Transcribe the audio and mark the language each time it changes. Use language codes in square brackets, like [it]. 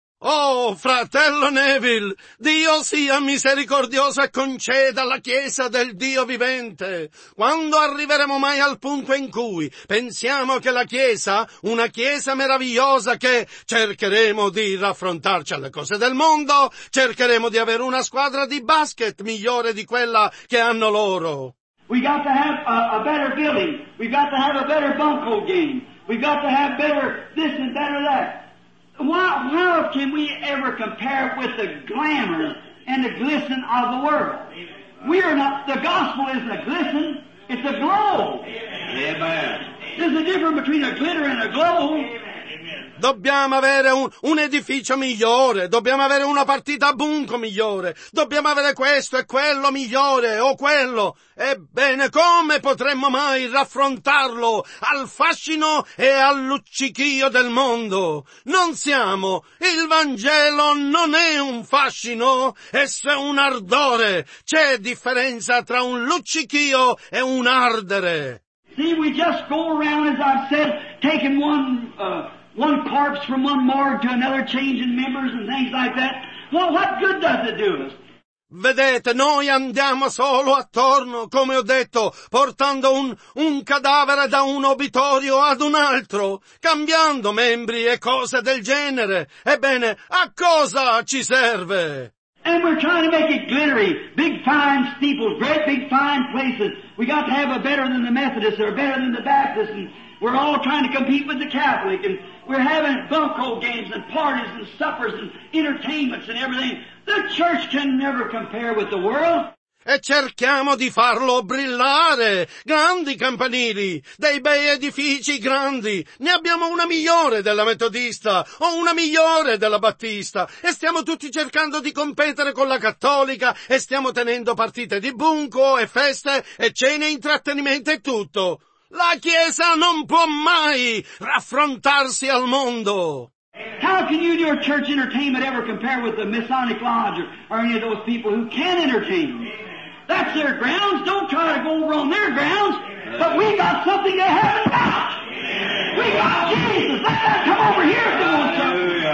[it] Oh, fratello Neville, Dio sia misericordioso e conceda alla Chiesa del Dio vivente. Quando arriveremo mai al punto in cui pensiamo che la Chiesa, una Chiesa meravigliosa che cercheremo di raffrontarci alle cose del mondo, cercheremo di avere una squadra di basket migliore di quella che hanno loro. [en] We got to have a better building. We got to have a better bunco game. We got to have better this and better that. How can we ever compare with the glamour and the glisten of the world? We are not, the gospel isn't a glisten, it's a glow. Amen. There's a difference between a glitter and a glow. [it] Dobbiamo avere un edificio migliore, dobbiamo avere una partita a bunco migliore, dobbiamo avere questo e quello migliore o quello. Ebbene, come potremmo mai raffrontarlo al fascino e al luccichio del mondo? Non siamo. Il Vangelo non è un fascino, esso è un ardore. C'è differenza tra un luccichio e un ardere. [en] See, we just go around, as I've said, taking one corpse from one morgue to another, changing members and things like that. Well, what good does it do us? [it] Vedete, noi andiamo solo attorno, come ho detto, portando un cadavere da un obitorio ad un altro, cambiando membri e cose del genere. Ebbene, a cosa ci serve? [en] And we're trying to make it glittery. Big fine steeples, great big fine places. We got to have a better than the Methodist or better than the Baptist. And we're all trying to compete with the Catholic. And we're having bunco games and parties and suppers and entertainments and everything. The church can never compare with the world. [it] E cerchiamo di farlo brillare. Grandi campanili, dei bei edifici grandi. Ne abbiamo una migliore della metodista o una migliore della battista. E stiamo tutti cercando di competere con la cattolica e stiamo tenendo partite di bunco e feste e cene, intrattenimento e tutto. La Chiesa non può mai raffrontarsi al mondo. [en] How can you and your church entertainment ever compare with the Masonic Lodge or any of those people who can entertain you? That's their grounds. Don't try to go over on their grounds. But we got something to have it about. We got Jesus. Let that come over here if you want something.